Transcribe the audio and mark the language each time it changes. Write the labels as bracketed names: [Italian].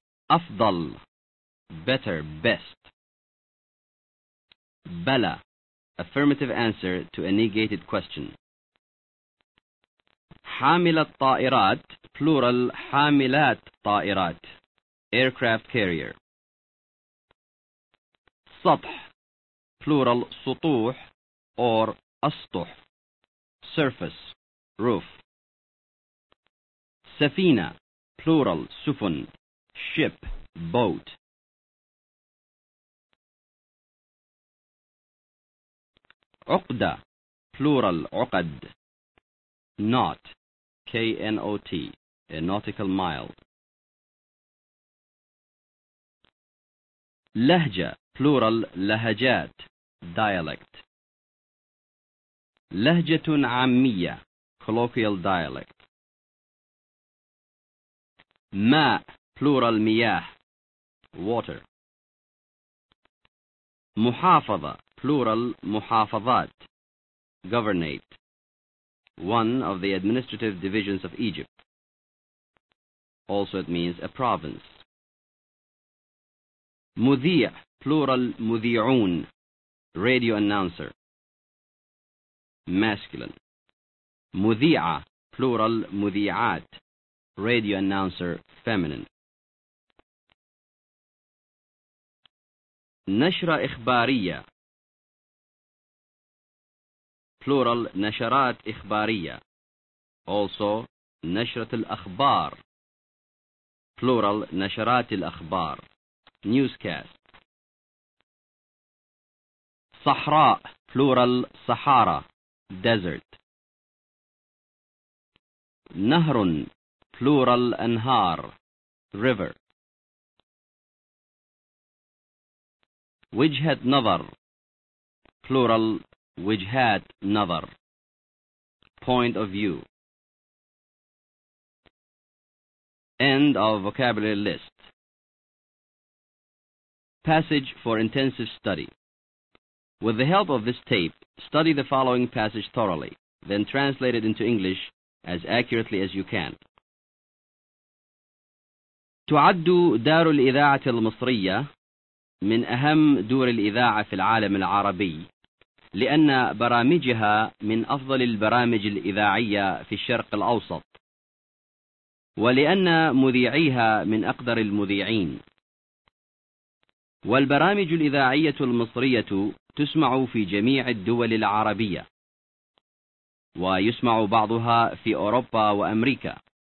[English] أفضل, better, best. بلى, affirmative answer to a negated question. [Arabic] حامل الطائرات, plural حاملات طائرات, aircraft carrier. [English] سطح, plural سطوح or أسطح, surface, roof. سفينة, plural سفن, ship, boat. عقدة, plural عقد, knot, K-N-O-T, a nautical mile. لهجة, plural لهجات, dialect. لهجة عامية, colloquial dialect. ماء, plural مياه, water. محافظة, plural محافظات, governate. One of the administrative divisions of Egypt. Also it means a province. مذيع, plural مذيعون, radio announcer. Masculine. مذيعة, plural مذيعات, radio announcer, feminine. [Arabic] نشرة إخبارية, plural نشرات إخبارية. Also, نشرة الأخبار, plural نشرات الأخبار, newscast. [English] صحراء, plural صحارى, desert. نهر, plural أنهار, river. وجهة نظر, plural وجهات نظر, point of view. End of vocabulary list. Passage for intensive study. With the help of this tape, study the following passage thoroughly, then translate it into English as accurately as you can. [Arabic] تعد دار الإذاعة المصرية من أهم دور الإذاعة في العالم العربي لأن برامجها من أفضل البرامج الإذاعية في الشرق الأوسط ولأن مذيعيها من أقدر المذيعين والبرامج الإذاعية المصرية تسمع في جميع الدول العربية ويسمع بعضها في أوروبا وأمريكا